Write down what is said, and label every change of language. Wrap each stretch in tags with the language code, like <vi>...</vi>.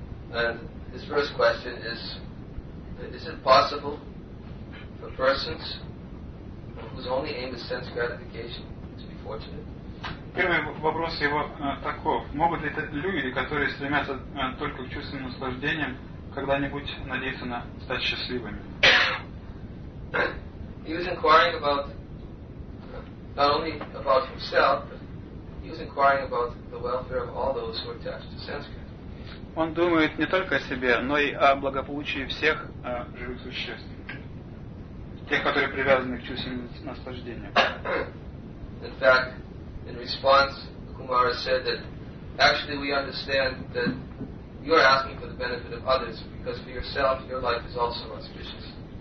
<en>And his first question is it possible for persons whose only aim is sense gratification to be fortunate?</en> <ru>Первый вопрос его таков. Могут ли это люди, которые стремятся только к чувственным наслаждениям, когда-нибудь надеяться на стать счастливыми?</ru> <en>He was inquiring about not only about himself, but he was inquiring about the welfare of all those who are attached to Sanskrit.</en> <ru>Он думает не только о себе, но и о благополучии всех живых существ, тех, которые привязаны к чувственным наслаждениям.</ru> <en>In fact, in response, Kumara said that actually we understand that you are asking for the benefit of others because for yourself your life is also auspicious.</en>